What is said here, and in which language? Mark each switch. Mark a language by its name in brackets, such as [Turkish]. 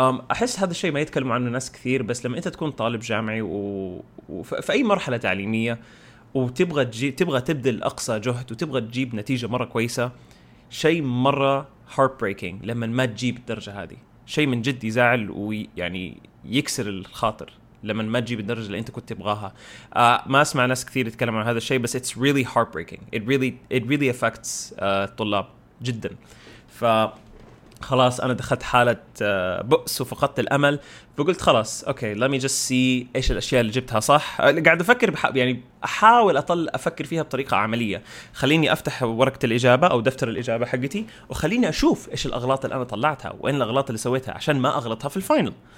[Arabic] أحس هذا الشيء ما يتكلم عنه ناس كثير, بس لما أنت تكون طالب جامعي وفي أي مرحلة تعليمية وتبغى تبذل أقصى جهد وتبغى تجيب نتيجة مرة كويسة, شيء مرة [English] heartbreaking [Arabic] لما ما تجيب الدرجة هذه. شيء من جد يزعل ويعني يكسر الخاطر لما ما تجيب الدرجة اللي أنت كنت تبغاها. ما أسمع ناس كثير يتكلم عن هذا الشيء, بس [English] it's really heartbreaking. It really affects [Arabic] الطلاب جدا. فخلاص أنا دخلت حالة بؤس وفقدت الأمل, فقلت خلاص أوكي, [English] let me just see [Arabic] إيش الأشياء اللي جبتها صح. قاعد أفكر يعني أحاول أفكر فيها بطريقة عملية. خليني أفتح ورقة الإجابة أو دفتر الإجابة حقتي, وخليني أشوف إيش الأغلاط اللي أنا طلعتها وين الأغلاط اللي سويتها عشان ما أغلطها في الفاينل.